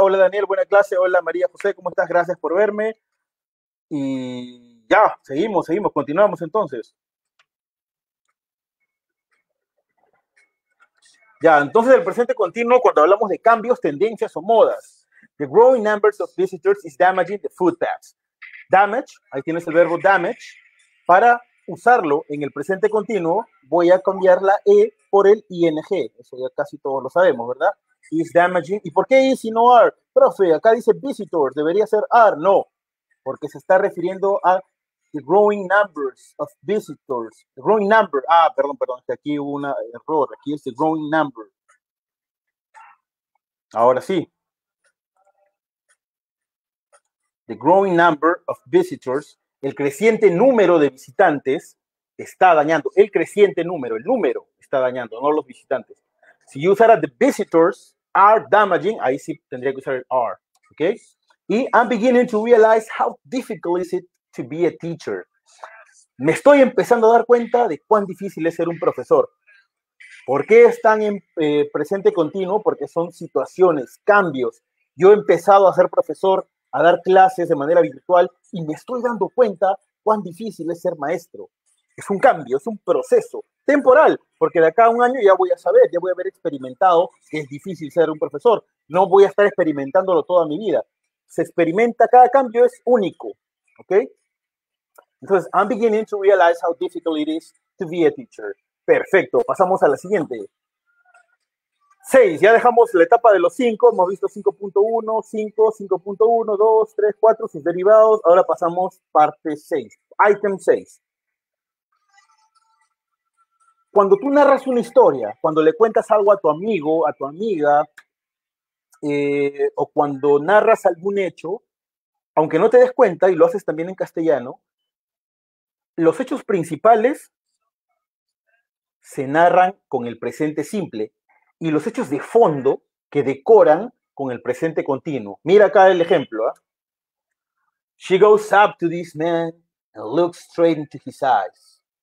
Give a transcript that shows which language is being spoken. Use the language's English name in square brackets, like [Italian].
[Spanish] Hola Daniel, buena clase. Hola María José, ¿cómo estás? Gracias por verme. Y ya, seguimos, continuamos entonces. Ya, entonces el presente continuo cuando hablamos de cambios, tendencias o modas. [English] The growing numbers of visitors is damaging the footpaths. [Spanish] Damage, ahí tienes el verbo damage. Para usarlo en el presente continuo, voy a cambiar la E por el ING. Eso ya casi todos lo sabemos, ¿verdad? [English] Is damaging. [Spanish] ¿Y por qué is y no are? Profe, acá dice visitors, debería ser are, no. Porque se está refiriendo a [English] the growing numbers of visitors. The growing number. [Spanish] Ah, perdón. Aquí hubo un error. Aquí es the growing number. Ahora sí. [English] The growing number of visitors. [Spanish] El creciente número de visitantes está dañando. El número está dañando, no los visitantes. Si yo usara [English] the visitors are damaging, [Spanish] ahí sí tendría que usar el are. ¿Ok? [English] Y I'm beginning to realize how difficult is it to be a teacher. [Spanish] Me estoy empezando a dar cuenta de cuán difícil es ser un profesor. ¿Por qué están en presente continuo? Porque son situaciones, cambios. Yo he empezado a ser profesor a dar clases de manera virtual y me estoy dando cuenta cuán difícil es ser maestro. Es un cambio, es un proceso temporal, porque de acá a un año ya voy a saber, ya voy a haber experimentado que es difícil ser un profesor. No voy a estar experimentándolo toda mi vida. Se experimenta, cada cambio es único, ¿ok? Entonces, [English] I'm beginning to realize how difficult it is to be a teacher. [Spanish] Perfecto, pasamos a la siguiente. 6, ya dejamos la etapa de los 5, hemos visto 5.1, 5, 5.1, 2, 3, 4, sus derivados. Ahora pasamos parte 6, item 6. Cuando tú narras una historia, cuando le cuentas algo a tu amigo, a tu amiga, o cuando narras algún hecho, aunque no te des cuenta, y lo haces también en castellano, los hechos principales se narran con el presente simple y los hechos de fondo que decoran con el presente continuo. Mira acá el ejemplo. [English] She goes up to this man and looks straight into his eyes.